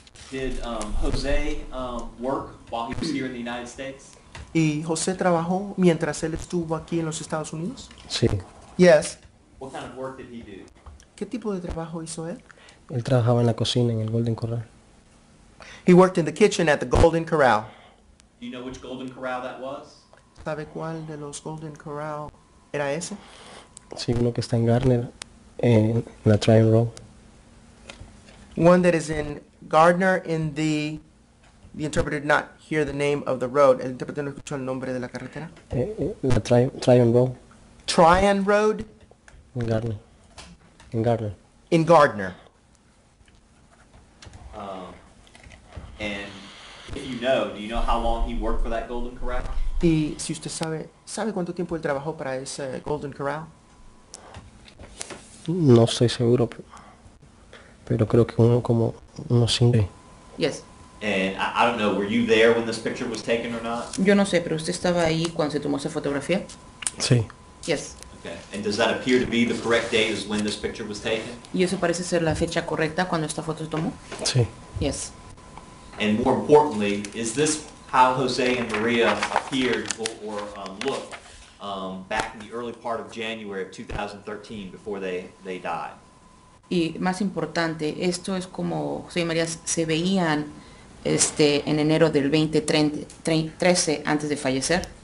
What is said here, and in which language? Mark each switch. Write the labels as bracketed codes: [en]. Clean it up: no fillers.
[en] Did Jose work while he was here in the United States? [es] ¿Y José trabajó mientras él estuvo aquí en los Estados Unidos? Sí. [en] Yes. What kind of work did he do? [es] ¿Qué tipo de trabajo hizo él? Él trabajaba en la cocina en el Golden Corral. [en] He worked in the kitchen at the Golden Corral. Do you know which Golden Corral that was? [es] ¿Sabe cuál de los Golden Corral era ese? Sí, uno que está en Garner, en la Tryon Road. [en] One that is in Gardner in the interpreter did not hear the name of the road. [es] El intérprete no escuchó el nombre de la carretera. La Tryon Road. [en] Tryon Road. In Gardner. In Gardner. In Gardner. And if you know, do you know how long he worked for that Golden Corral? [es] Y si usted sabe, ¿sabe cuánto tiempo él trabajó para ese Golden Corral? No estoy seguro. Pero creo que uno como unos 5. [en] Yes. And I don't know, were you there when this picture was taken or not? [es] Yo no sé, pero usted estaba ahí cuando se tomó esa fotografía. Sí. [en] Yes. Okay. And does that appear to be the correct date as when this picture was taken? [es] Y eso parece ser la fecha correcta cuando esta foto se tomó. Sí. [en] Yes. And more importantly, is this how Jose and Maria appeared or looked back in the early part of January of 2013 before they died? [es] Y más importante, esto es como José y María se veían en enero del 2013 antes de fallecer.